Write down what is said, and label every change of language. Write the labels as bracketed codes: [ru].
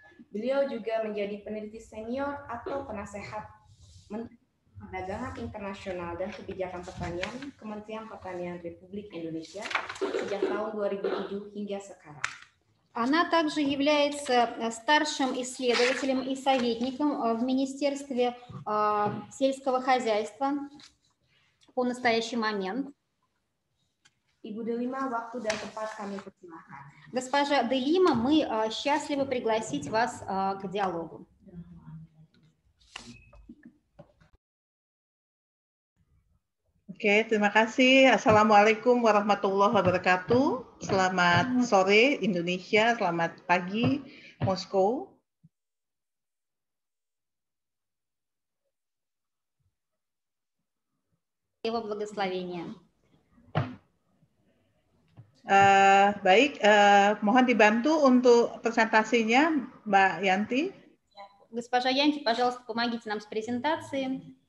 [id] Beliau juga menjadi peneliti senior atau penasehat perdagangan internasional dan kebijakan pertanian Kementerian Pertanian Republik Indonesia sejak tahun 2007 hingga sekarang. [ru] Она также является старшим исследователем и советником в Министерстве сельского хозяйства по настоящий момент. [id] Ibu Delima, waktu dan tempat kami persilahkan. [ru] Госпожа Делима, мы счастливы пригласить вас к диалогу. Здравствуйте. [id] Oke, terima kasih. Assalamualaikum warahmatullahi wabarakatuh. Selamat sore Indonesia, selamat pagi Moskow. [ru] Его благословение. [id] Baik, mohon dibantu untuk presentasinya, Mbak Yanti. [ru] Госпожа Янти, пожалуйста, помогите нам с презентацией.